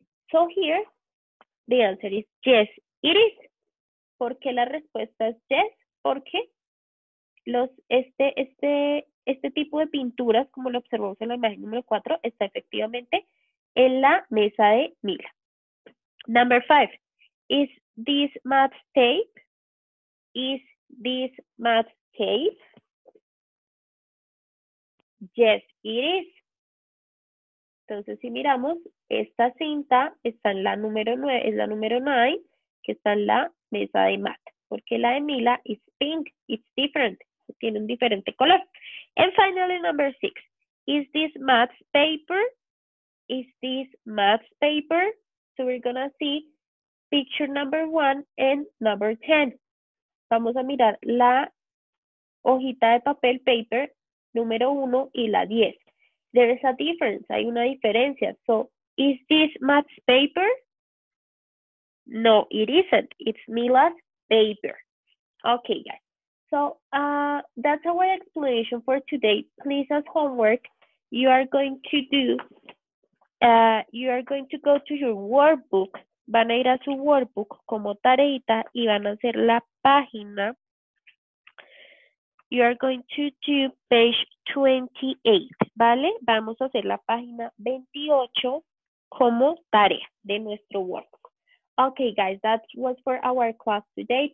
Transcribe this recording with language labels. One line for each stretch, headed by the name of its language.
English: So here, the answer is yes, it is.
Spanish: ¿Por qué la respuesta es yes? Porque este tipo de pinturas, como lo observamos en la imagen número 4, está efectivamente en la mesa de Mila.
English: Number 5. Is this Matt's tape? Is this Matt's case? Yes, it is.
Spanish: Entonces, si miramos, esta cinta está en la número 9, es la número 9, que está en la mesa de Matt. Porque la de
English: Mila is pink, it's different.
Spanish: Tiene un diferente color.
English: And finally, number 6. Is this Matt's paper? Is this Matt's paper? So we're gonna see picture number 1 and number 10.
Spanish: Vamos a mirar la hojita de papel, paper, número 1 y la 10.
English: There is a difference.
Spanish: Hay una diferencia.
English: So, is this Matt's paper? No, it isn't. It's Mila's paper. Okay, guys. So, that's our explanation for today. Please, as homework, you are going to do, you are going to go to your workbook.
Spanish: Van a ir a su workbook como tareita y van a hacer la página.
English: You are going to do page 28, ¿vale?
Spanish: Vamos a hacer la página 28 como tarea de nuestro workbook.
English: Okay, guys, that was for our class today.